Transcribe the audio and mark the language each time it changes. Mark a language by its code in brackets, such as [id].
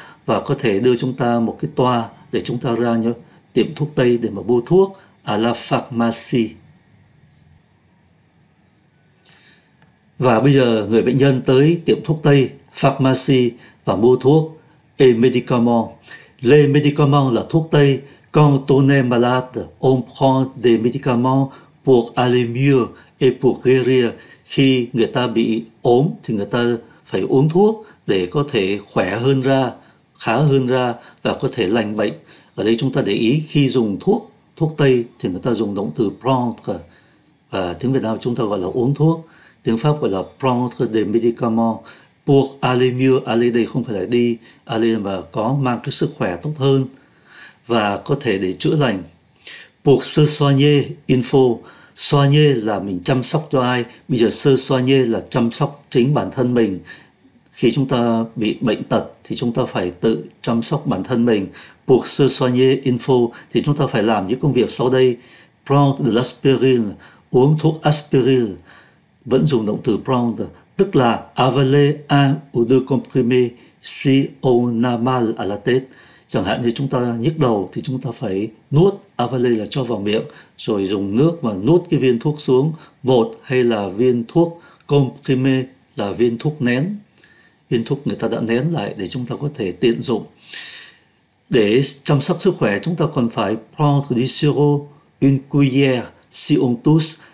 [vi] Và có thể đưa chúng ta một cái toa để chúng ta ra tiệm thuốc tây để mà mua thuốc, [fr] à la pharmacie. [vi] Và bây giờ người bệnh nhân tới tiệm thuốc tây, pharmacie, và mua thuốc, [fr] et médicament. Les médicaments [vi] là thuốc tây. [fr] Quand on est malade, on prend des médicaments pour aller mieux et pour guérir. [vi] Khi người ta bị ốm thì người ta phải uống thuốc để có thể khỏe hơn ra, khá hơn ra và có thể lành bệnh. Ở đây chúng ta để ý khi dùng thuốc, thuốc tây thì người ta dùng động từ prendre, và tiếng Việt Nam chúng ta gọi là uống thuốc, tiếng Pháp gọi là [fr] prendre des médicaments. Pour aller mieux, [vi] aller đây không phải là đi, aller mà có mang cái sức khỏe tốt hơn và có thể để chữa lành. [fr] Pour se soigner, [vi] info, soigner là mình chăm sóc cho ai. Bây giờ se soigner là chăm sóc chính bản thân mình. Khi chúng ta bị bệnh tật thì chúng ta phải tự chăm sóc bản thân mình. [fr] Pour se soigner, [vi] info, thì chúng ta phải làm những công việc sau đây. [fr] Prendre de l'aspirine, [vi] uống thuốc aspirin, vẫn dùng động từ prendre. Tức là [fr] avaler un ou deux comprimés si on a mal à la tête. [vi] Chẳng hạn như chúng ta nhức đầu thì chúng ta phải nuốt, avaler là cho vào miệng, rồi dùng nước mà nuốt cái viên thuốc xuống, một hay là viên thuốc comprimé là viên thuốc nén. Viên thuốc người ta đã nén lại để chúng ta có thể tiện dụng. Để chăm sóc sức khỏe chúng ta còn phải [fr] prendre du sirop, une cuillère si on tousse.